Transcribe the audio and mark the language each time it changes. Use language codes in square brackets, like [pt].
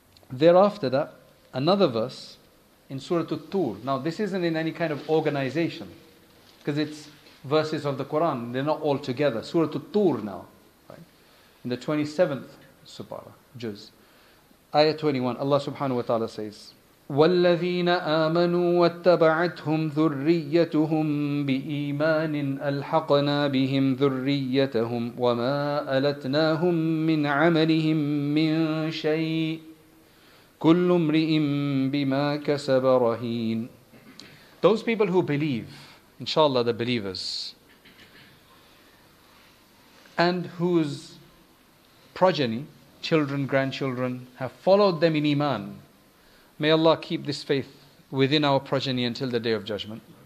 [en] Thereafter that, another verse in Surah At-Tur. Now this isn't in any kind of organization, because it's verses of the Quran. They're not all together. Surah At-Tur now, right? In the 27th, Subhara, Juz. [ar] Ayah 21, Allah subhanahu wa ta'ala says, وَالَّذِينَ آمَنُوا وَاتَّبَعَتْهُمْ ذُرِّيَّتُهُمْ بِإِيمَانٍ أَلْحَقْنَا بِهِمْ ذُرِّيَّتَهُمْ وَمَا أَلَتْنَاهُمْ مِنْ عَمَلِهِمْ مِنْ شَيْءٍ كُلُّ امْرِئٍ بِمَا كَسَبَ رَهِينٌ. [en] Those people who believe, inshallah, the believers, and whose progeny, children, grandchildren, have followed them in iman. May Allah keep this faith within our progeny until the Day of Judgment.